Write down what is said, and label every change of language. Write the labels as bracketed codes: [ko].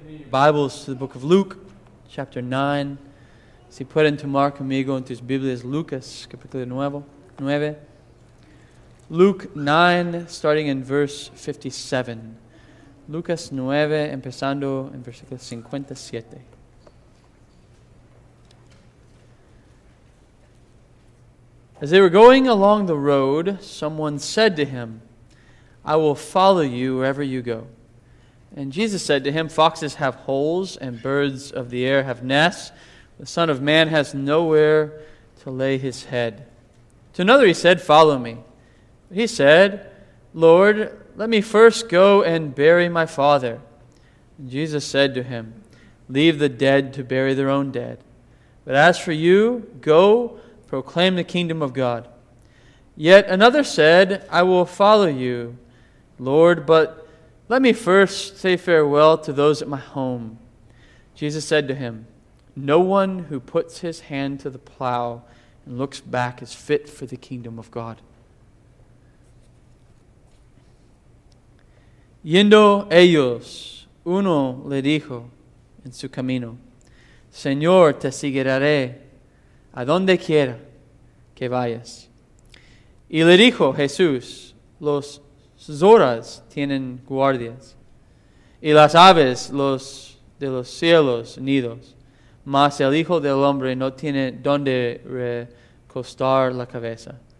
[en] Bibles to the book of Luke, chapter 9. [es] Si pueden tomar conmigo en tus Biblias, Lucas, capítulo 9. [en] Luke 9, starting in verse 57. [es] Lucas 9, empezando en versículo 57. [en] As they were going along the road, someone said to him, "I will follow you wherever you go." And Jesus said to him, "Foxes have holes, and birds of the air have nests. The Son of Man has nowhere to lay his head." To another he said, "Follow me." But he said, "Lord, let me first go and bury my father." And Jesus said to him, "Leave the dead to bury their own dead. But as for you, go proclaim the kingdom of God." Yet another said, "I will follow you, Lord, but let me first say farewell to those at my home." Jesus said to him, "No one who puts his hand to the plow and looks back is fit for the kingdom of God." [es] Yendo ellos, uno le dijo en su camino, "Señor, te seguiré a donde quiera que vayas." Y le dijo Jesús, "Los zorras tienen guardias, y las aves los de los cielos nidos, mas el Hijo del Hombre no tiene donde recostar la cabeza."